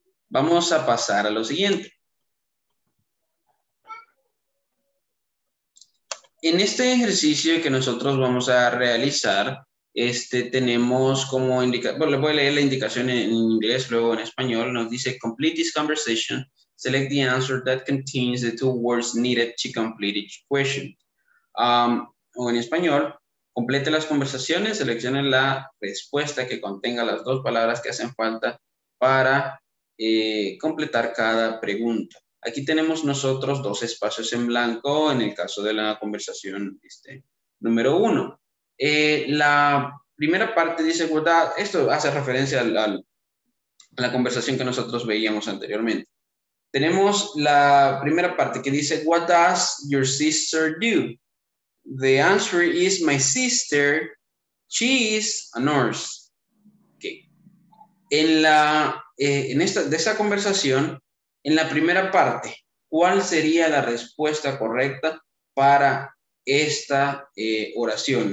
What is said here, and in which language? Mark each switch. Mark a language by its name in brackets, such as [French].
[Spanish] Vamos a pasar a lo siguiente. En este ejercicio que nosotros vamos a realizar, tenemos como indicación, bueno, voy a leer la indicación en inglés, luego en español. Nos dice, [English] complete this conversation, select the answer that contains the two words needed to complete each question. [Spanish] O en español, complete las conversaciones, seleccione la respuesta que contenga las dos palabras que hacen falta para completar cada pregunta. Aquí tenemos nosotros dos espacios en blanco en el caso de la conversación número uno. La primera parte dice, esto hace referencia a la conversación que nosotros veíamos anteriormente. Tenemos la primera parte que dice, [English] what does your sister do? The answer is, my sister, she is a nurse. Okay. [Spanish] En la, en esta, de esta conversación, en la primera parte, ¿cuál sería la respuesta correcta para esta oración?